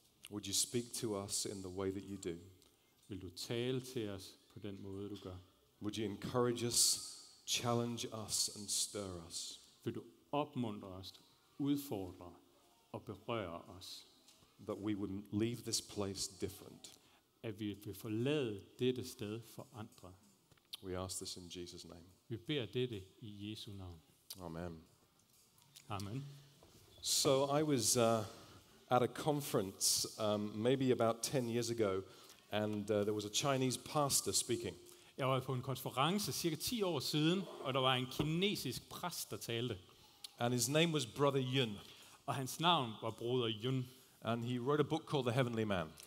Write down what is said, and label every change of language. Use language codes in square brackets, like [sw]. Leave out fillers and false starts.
[en] Would you speak to us in the way that you do? [da] Vil du tale til os på den måde du gør? [en] Would you encourage us, challenge us, and stir us? [da] Vil du opmuntre os, udfordre og berøre os? [en] That we would leave this place different. [da] At vi vil forlade dette sted for andre. [en] We ask this in Jesus' name. [da] Vi beder dette i Jesu navn. [en] Amen. [da] Amen. [en] So I was at a conference maybe about 10 years ago, and there was a Chinese pastor speaking. [da] Jeg var på en konference cirka 10 år siden, og der var en kinesisk præst, der talte. [en] And his name was Brother Yun. [da] Og hans navn var Broder Yun. [en] And he wrote a book called The Heavenly Man.